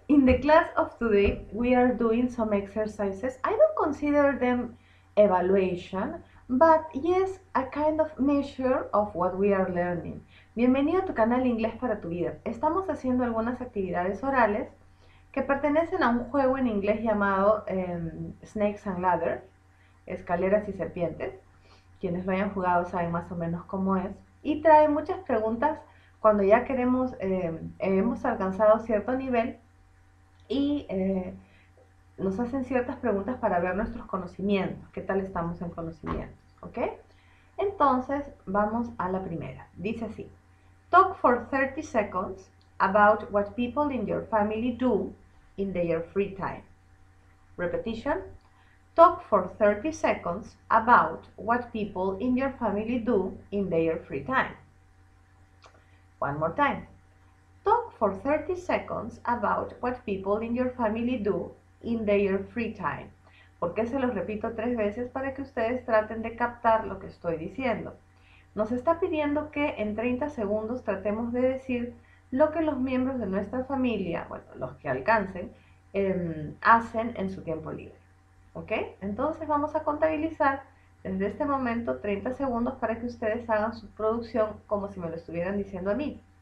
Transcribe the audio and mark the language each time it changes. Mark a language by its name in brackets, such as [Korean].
[English] In the class of today, we are doing some exercises. I don't consider them evaluation, but yes, a kind of measure of what we are learning. [Spanish] Bienvenido a tu canal Inglés para tu vida. Estamos haciendo algunas actividades orales que pertenecen a un juego en inglés llamado Snakes and Ladders, escaleras y serpientes. Quienes lo hayan jugado saben más o menos cómo es. Y trae muchas preguntas cuando ya queremos, hemos alcanzado cierto nivel y nos hacen ciertas preguntas para ver nuestros conocimientos, qué tal estamos en conocimientos, ¿ok? Entonces, vamos a la primera. Dice así, [English] talk for 30 seconds about what people in your family do in their free time. Repetition, talk for 30 seconds about what people in your family do in their free time. One more time. Talk for 30 seconds about what people in your family do in their free time. [Spanish] ¿Por qué se los repito tres veces? Para que ustedes traten de captar lo que estoy diciendo. Nos está pidiendo que en 30 segundos tratemos de decir lo que los miembros de nuestra familia, bueno, los que alcancen, hacen en su tiempo libre. ¿Ok? Entonces vamos a contabilizar desde este momento 30 segundos para que ustedes hagan su producción como si me lo estuvieran diciendo a mí.